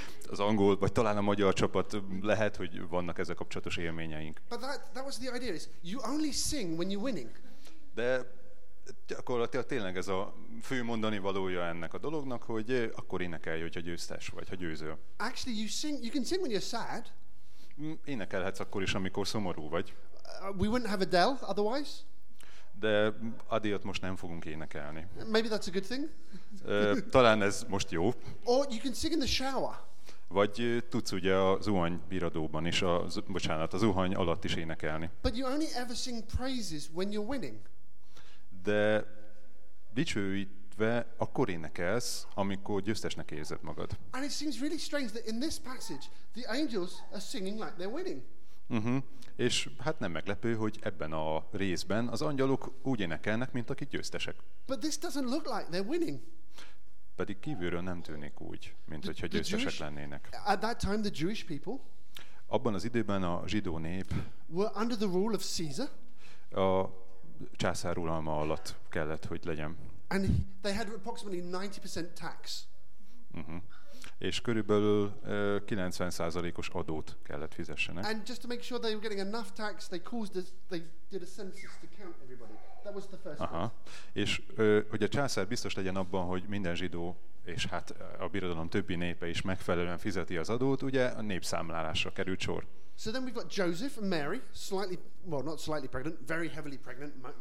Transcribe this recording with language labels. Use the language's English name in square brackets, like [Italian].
[Hungarian] Az angol, vagy talán a magyar csapat, lehet, hogy vannak ezzel kapcsolatos élményeink. [English] But that was the idea, is you only sing when you're winning. [Hungarian] De gyakorlatilag tényleg ez a fő mondani valója ennek a dolognak, hogy akkor énekelj, hogyha győztes vagy, ha győzöl. [English] Actually, you can sing when you're sad. [Hungarian] Énekelhetsz akkor is, amikor szomorú vagy. [English] We wouldn't have Adele otherwise. [Hungarian] De Adele-t most nem fogunk énekelni. [English] Maybe that's a good thing. [Hungarian] Talán ez most jó. [English] Or you can sing in the shower. [Hungarian] Vagy tudsz ugye a zuhany biradóban is, a zuhany alatt is énekelni. [English] But you only ever sing praises when you're winning. [Hungarian] De dicsőítve akkor énekelsz, amikor győztesnek érzed magad. [English] And it seems really strange that in this passage the angels are singing like they're winning. Uh-huh. [Hungarian] És hát nem meglepő, hogy ebben a részben az angyalok úgy énekelnek, mint akik győztesek. [English] But this doesn't look like they're winning. [Hungarian] Pedig kívülről nem tűnik úgy, mint hogyha győztesek lennének. [English] At that time the Jewish people. [Hungarian] Abban az időben a zsidó nép. [English] Were under the rule of Caesar. [Hungarian] A császár uralma alatt kellett, hogy legyen. [English] And they had approximately 90% tax. Uh-huh. [Hungarian] És körülbelül 90%-os adót kellett fizessenek. [English] And just to make sure they were getting enough tax, they did a census to count everybody. That was the first thing. Aha. [Hungarian] És hogy a császár biztos legyen abban, hogy minden zsidó, és hát a birodalom többi népe is megfelelően fizeti az adót, ugye a népszámlálásra került sor. [English] So then we've got Joseph and Mary, slightly, well, not slightly pregnant, very heavily pregnant.